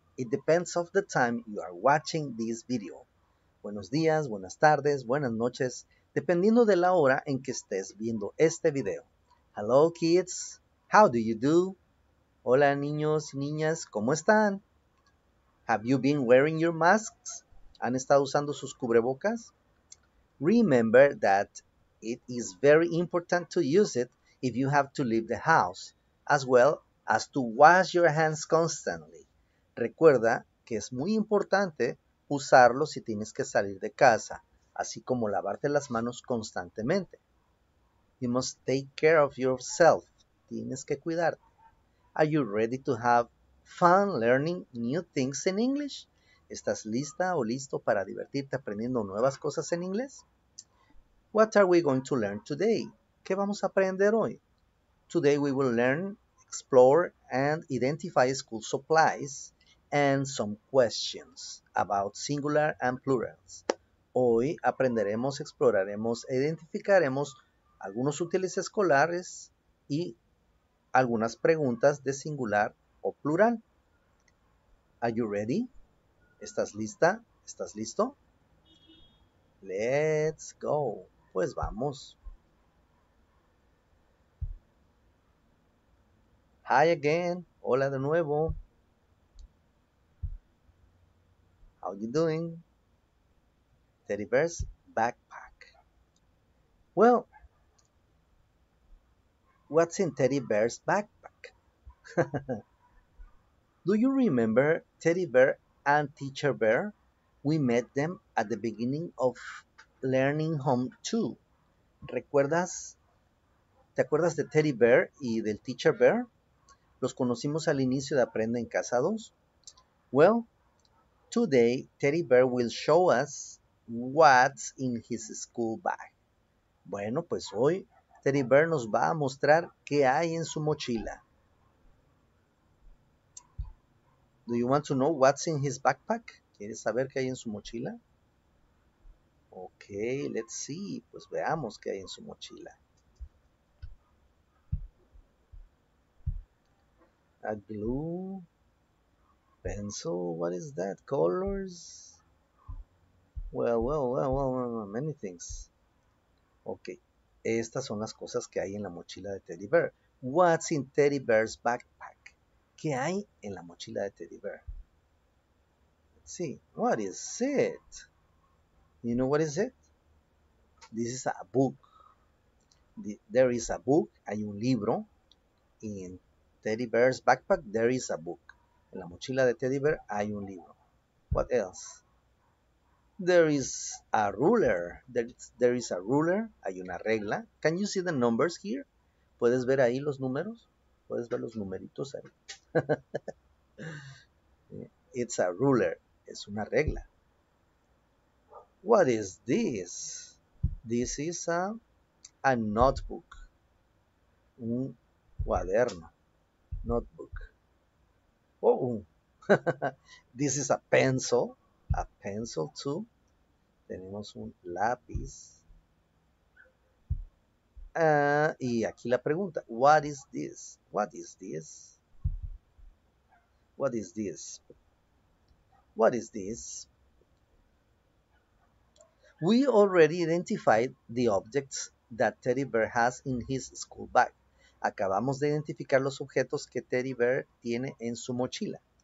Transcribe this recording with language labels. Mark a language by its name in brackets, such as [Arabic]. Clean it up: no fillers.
[English] It depends of the time you are watching this video. [Spanish] Buenos días, buenas tardes, buenas noches, dependiendo de la hora en que estés viendo este video. [English] Hello kids, how do you do? [Spanish] Hola niños y niñas, ¿cómo están? [English] Have you been wearing your masks? [Spanish] ¿Han estado usando sus cubrebocas? [English] Remember that it is very important to use it if you have to leave the house, as well as to wash your hands constantly. [Spanish] Recuerda que es muy importante usarlo si tienes que salir de casa, así como lavarte las manos constantemente. [English] You must take care of yourself. [Spanish] Tienes que cuidarte. [English] Are you ready to have fun learning new things in English? [Spanish] ¿Estás lista o listo para divertirte aprendiendo nuevas cosas en inglés? [English] What are we going to learn today? [Spanish] ¿Qué vamos a aprender hoy? [English] Today we will learn, explore, and identify school supplies and some questions about singular and plurals. [Spanish] Hoy aprenderemos, exploraremos, identificaremos algunos útiles escolares y algunas preguntas de singular o plural. [English] Are you ready? [Spanish] ¿Estás lista? ¿Estás listo? [English] Let's go. [Spanish] Pues vamos. [English] Hi again. [Spanish] Hola de nuevo. [English] How you doing? Teddy Bear's backpack. Well, what's in Teddy Bear's backpack? Do you remember Teddy Bear and Teacher Bear? We met them at the beginning of Learning Home 2. [Spanish] ¿Te acuerdas de Teddy Bear y del Teacher Bear? Los conocimos al inicio de Aprende en Casa 2. [English] Well, today Teddy Bear will show us what's in his school bag. [Spanish] Bueno, pues hoy Teddy Bear nos va a mostrar qué hay en su mochila. [English] Do you want to know what's in his backpack? [Spanish] ¿Quieres saber qué hay en su mochila? [English] Ok, let's see. [Spanish] Pues veamos qué hay en su mochila. [English] A glue. Pencil. What is that? Colors. Well, many things. [Spanish] Ok, estas son las cosas que hay en la mochila de Teddy Bear. [English] What's in Teddy Bear's backpack? [Spanish] ¿Qué hay en la mochila de Teddy Bear? [English] Let's see. What is it? You know what is it? This is a book. There is a book. [Spanish] Hay un libro. [English] In Teddy Bear's backpack, there is a book. [Spanish] En la mochila de Teddy Bear, hay un libro. [English] What else? There is a ruler. There is a ruler. [Spanish] Hay una regla. [English] Can you see the numbers here? [Spanish] ¿Puedes ver ahí los números? ¿Puedes ver los numeritos ahí? [English] It's a ruler. [Spanish] Es una regla. [English] What is this? This is a notebook. [Spanish] Un cuaderno. Notebook. Oh. [English] This is a pencil. A pencil too. [Spanish] Tenemos un lápiz. Y aquí la pregunta, [English] what is this? What is this? What is this? What is this? We already identified the objects that Teddy Bear has in his school bag. [Spanish] Acabamos de identificar los objetos que Teddy Bear tiene en su mochila.